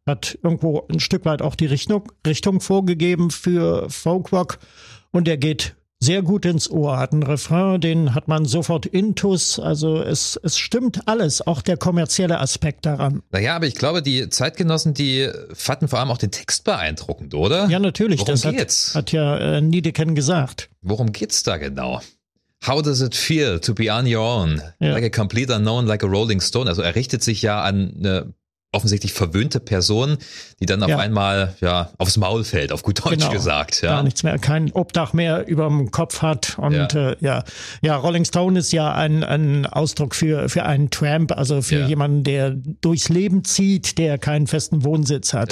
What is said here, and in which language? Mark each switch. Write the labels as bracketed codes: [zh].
[de] Hat irgendwo ein Stück weit auch die Richtung vorgegeben für Folkrock. Und er geht sehr gut ins Ohr, hat einen Refrain, den hat man sofort intus. Also es stimmt alles, auch der kommerzielle Aspekt daran. Naja, aber ich glaube, die Zeitgenossen, die fanden vor allem auch den Text beeindruckend, oder? Ja, natürlich. Worum geht's? Hat ja Niedeken gesagt. Worum geht's da genau? [en] How does it feel to be on your own? Ja. Like a complete unknown, like a rolling stone. [de] Also er richtet sich ja an eine offensichtlich verwöhnte Person, die dann auf einmal aufs Maul fällt, auf gut Deutsch gesagt. Ja. Gar nichts mehr, kein Obdach mehr über dem Kopf hat. Und Rolling Stone ist ja ein Ausdruck für einen Tramp, also für jemanden, der durchs Leben zieht, der keinen festen Wohnsitz hat.